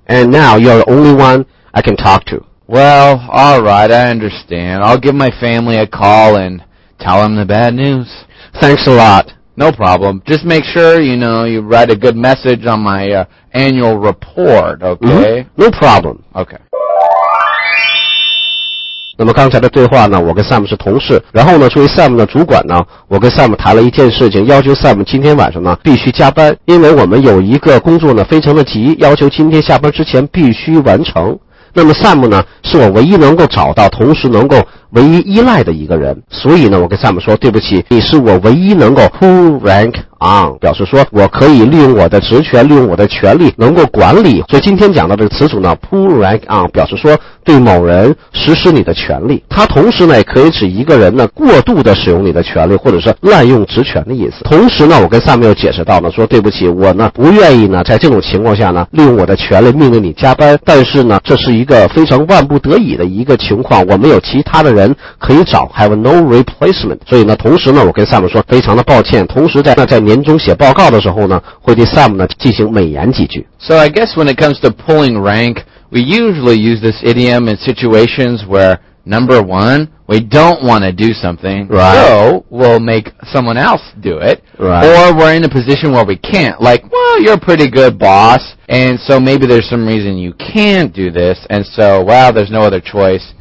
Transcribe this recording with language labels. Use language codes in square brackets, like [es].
[en] And now you're the only one I can talk to. Well, all right, I understand. I'll give my family a call and tell them the bad news. Thanks a lot. No problem. Just make sure, you know, you write a good message on my annual report, okay? Mm-hmm. No problem. Okay. [zh] 那么刚才的对话呢，我跟 Sam 是同事，然后呢，作为 Sam 的主管呢，我跟 Sam 谈了一件事情，要求 Sam 今天晚上呢必须加班，因为我们有一个工作呢非常的急，要求今天下班之前必须完成。那么 Sam 呢是我唯一能够找到同时能够唯一依赖的一个人，所以呢我跟 Sam 说，对不起，你是我唯一能够 [en] pull rank on， [zh] 表示说我可以利用我的职权，利用我的权利能够管理。所以今天讲到这个词组呢 [en] pull rank on， [zh] 表示说对某人实施你的权利，它同时呢也可以指一个人呢过度的使用你的权利或者是滥用职权的意思。同时呢我跟 Sam 又解释到呢，说对不起，我呢不愿意呢在这种情况下呢利用我的权利命令你加班，但是呢这是一个非常万不得已的一个情况，我没有其他的人可以找 ， [en] have no replacement。 [zh] 所以呢，同时呢，我跟 Sam 说，非常的抱歉。同时在年终写报告的时候呢，会对 Sam 呢进行美言几句。 [en] So I guess when it comes to pulling rank, we usually use this idiom in situations where number one, we don't want to do something, right. So we'll make someone else do it, right. Or we're in a position where we can't. Like, well, you're a pretty good boss, and so maybe there's some reason you can't do this, and so well, there's no other choice.